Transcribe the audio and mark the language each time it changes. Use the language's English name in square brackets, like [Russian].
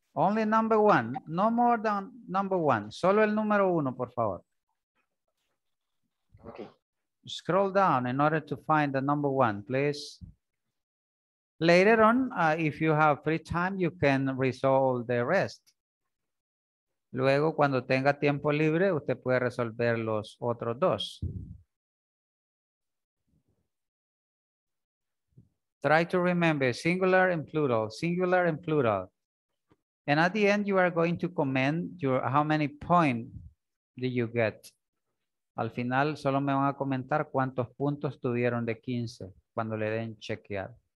[English] Only number one, no more than number one. [Spanish] Solo el número uno, por favor. [English] Okay. Scroll down in order to find the number one, please. Later on, if you have free time, you can resolve the rest. [Spanish] Luego, cuando tenga tiempo libre, usted puede resolver los otros dos. [English] Try to remember singular and plural, singular and plural. And at the end, you are going to comment your how many points did you get. [Spanish] Al final, solo me van a comentar cuántos puntos tuvieron de 15 cuando le den chequear.